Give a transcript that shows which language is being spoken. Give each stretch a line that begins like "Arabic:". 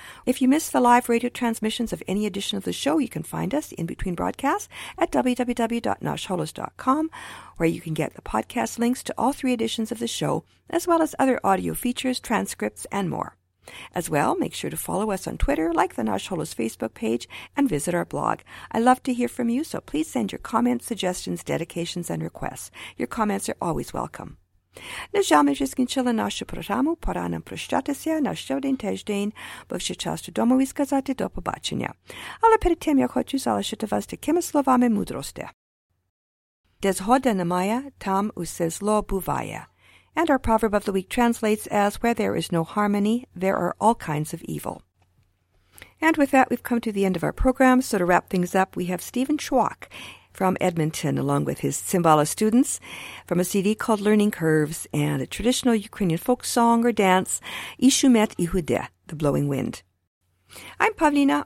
English: If you miss the live radio transmissions of any edition of the show, you can find us in between broadcasts at www.noshholos.com, where you can get the podcast links to all three editions of the show, as well as other audio features, transcripts, and more. As well, make sure to follow us on Twitter, like the Nash Holos Facebook page, and visit our blog. I love to hear from you, so please send your comments, suggestions, dedications, and requests. Your comments are always welcome.
Ukrainian: Нажами же скінчили нашу програму, пора нам прощатися на щодень тиждень, бо вже час додому і сказати до побачення. Але перед тим я хочу залишити вас такими словами мудрості. Де згода немає, там усе зло буває.
English: And our proverb of the week translates as, where there is no harmony, there are all kinds of evil. And with that, we've come to the end of our program. So to wrap things up, we have Stephen Schwach from Edmonton, along with his Tsimbala students, from a CD called Learning Curves, and a traditional Ukrainian folk song or dance, Ishumet Ihude, The Blowing Wind. I'm Pavlina.